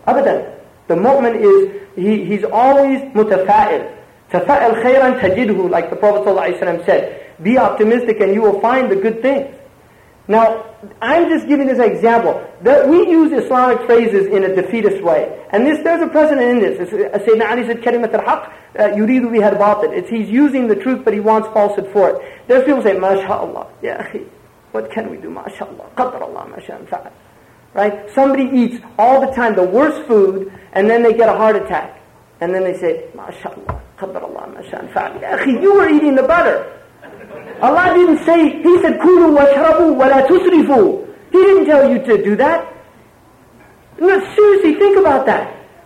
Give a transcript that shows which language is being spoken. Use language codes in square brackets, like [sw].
[en] Other than the mu'min is, he's always mutafa'il. [ar] Tafa'il khayran tajidhu, [en] like the Prophet ﷺ said. Be optimistic and you will find the good things. Now, I'm just giving this example. That we use Islamic phrases in a defeatist way. And this, there's a precedent in this. [ar] Sayyidina Ali said, كَلِمَةَ الْحَقِّ يُرِيدُ بِهَا الْبَاطِلِ. [en] It's, he's using the truth, but he wants falsehood for it. There's people say, MashaAllah, ya akhi, what can we do? [ar] MashaAllah, قَدْرَ اللَّهِ مَشَاءً فَعَلْ. [en] Right? Somebody eats all the time the worst food, and then they get a heart attack. And then they say, MashaAllah, [ar] قَدْرَ اللَّهِ مَشَاءً فَعَلْ. [en] Ya akhi, you were eating the butter. Allah didn't say, He said, [ar] كُلُوا وَشْرَبُوا وَلَا تُسْرِفُوا. [en] He didn't tell you to do that. No, seriously, think about that.